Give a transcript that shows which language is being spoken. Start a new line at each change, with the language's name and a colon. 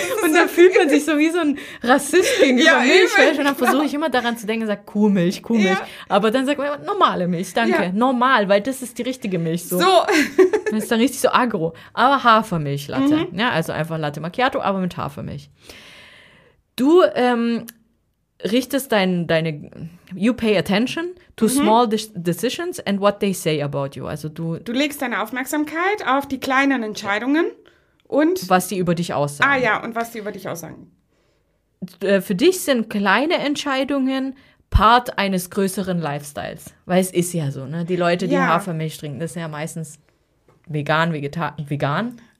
German: Und dann fühlt man sich so wie so ein Rassist gegenüber Milch. Eben, und dann versuche ich immer daran zu denken, sag Kuhmilch, Kuhmilch. Ja. Aber dann sagt man immer normale Milch, danke. Ja. Normal, weil das ist die richtige Milch so. So. Das ist dann richtig so aggro. Aber Hafermilch-Latte. Mhm. Ja, also einfach Latte Macchiato, aber mit Hafermilch. Du richtest deine
English: you pay attention to small decisions and what they say about you.
German: Also du legst deine Aufmerksamkeit auf die kleinen Entscheidungen und was die über dich aussagen. Ah ja, und was die über dich aussagen. Für dich sind kleine Entscheidungen Part eines größeren Lifestyles. Weil es ist ja so, ne? Die Leute, die Hafermilch trinken, das sind ja meistens vegan, vegan.